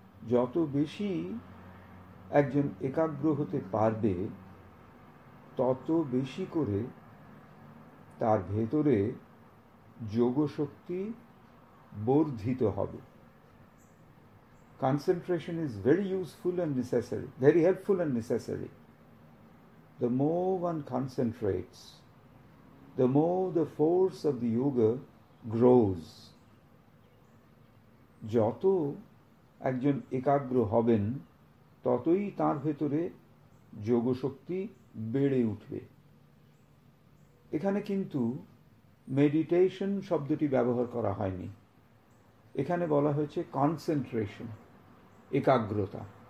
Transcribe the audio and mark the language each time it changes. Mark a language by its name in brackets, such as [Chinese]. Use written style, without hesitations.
[Bangla] যত বেশি একজন একাগ্র হতে পারবে, তত বেশি করে তার ভেতরে যোগশক্তি বর্ধিত হবে। [English] Concentration is very useful and necessary, very helpful and necessary. The more one concentrates, the more the force of the yoga grows. [Bangla] যত একজন একাগ্র হবেন, ততই তার ভেতরে যোগশক্তি বেড়ে উঠবে। এখানে কিন্তু মেডিটেশন শব্দটি ব্যবহার করা হয়নি, এখানে বলা হয়েছে কনসেন্ট্রেশন, একাগ্রতা।